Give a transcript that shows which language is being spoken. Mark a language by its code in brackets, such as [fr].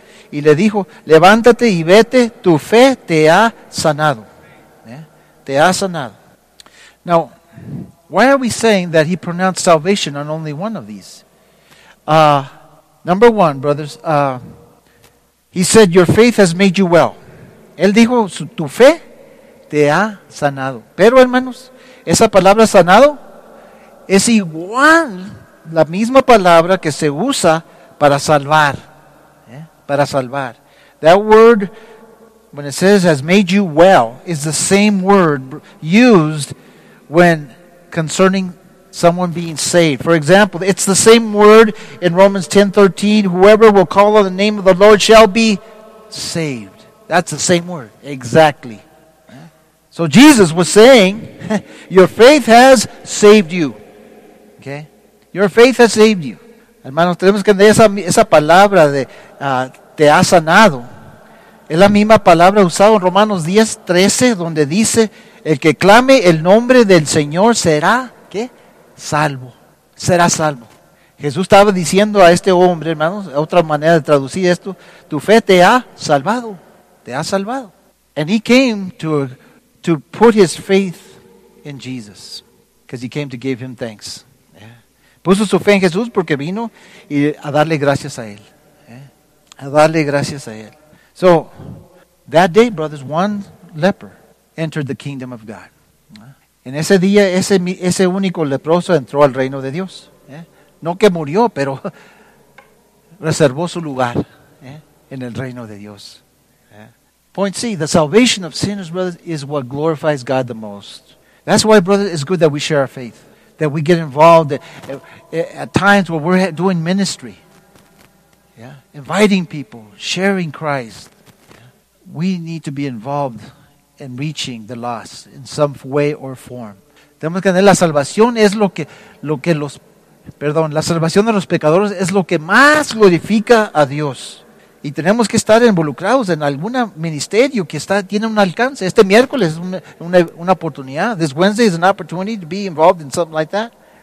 [es] Y le dijo, levántate y vete, tu fe te ha sanado. Yeah? Te ha sanado. [en] Now, why are we saying that he pronounced salvation on only one of these? Number one, brothers, he said, your faith has made you well. [es] Él dijo, tu fe te ha sanado. Pero hermanos, esa palabra sanado es igual, la misma palabra que se usa para salvar. Yeah? Para salvar. [en] That word, when it says has made you well, is the same word used when concerning someone being saved. For example, it's the same word in Romans 10:13, whoever will call on the name of the Lord shall be saved. That's the same word. Exactly. So Jesus was saying, your faith has saved you. Okay? Your faith has saved you. [es] Hermanos, tenemos que entender esa palabra de te ha sanado. Es la misma palabra usada en Romanos 10:13, donde dice, el que clame el nombre del Señor será, ¿qué? Salvo. Será salvo. Jesús estaba diciendo a este hombre, hermanos, otra manera de traducir esto, tu fe te ha salvado. Te ha salvado. [en] And he came to put his faith in Jesus. Because he came to give him thanks. Yeah. [es] Puso su fe en Jesús porque vino y a darle gracias a él. Yeah. A darle gracias a él. [en] So, that day, brothers, one leper entered the kingdom of God. Yeah. [es] En ese día, ese único leproso entró al reino de Dios. Yeah. No que murió, pero reservó su lugar, yeah, en el reino de Dios. [en] Point C, the salvation of sinners, brothers, is what glorifies God the most. That's why, brothers, it's good that we share our faith, that we get involved at times where we're doing ministry, yeah, inviting people, sharing Christ. We need to be involved in reaching the lost in some way or form. [es] Tenemos que tener la salvación es lo que los, perdón, la salvación de los pecadores es lo que más glorifica a Dios. Y tenemos que estar involucrados en algún ministerio que tiene un alcance. Este miércoles es una oportunidad. [en] This Wednesday is an opportunity to be involved in something like that.